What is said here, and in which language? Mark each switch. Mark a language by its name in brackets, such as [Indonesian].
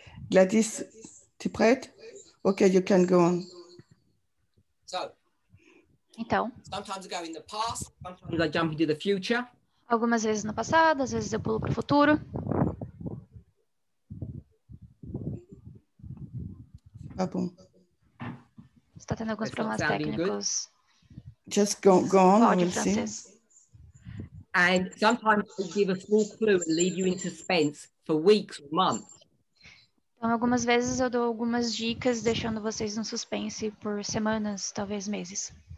[English] Gladys, [French] tu es prête? [English] Ok, you can go on. So, [Portuguese] então, [English] sometimes I go in the past, sometimes I jump into the future. [Portuguese] Algumas vezes no passado, às vezes eu pulo para o futuro. Tá bom. Está tendo alguns problemas técnicos. [English] Just go on, we'll see. And sometimes I give a small clue and leave you in suspense for weeks or months. [Portuguese] Então, algumas vezes eu dou algumas dicas, deixando vocês no suspense por semanas, talvez meses.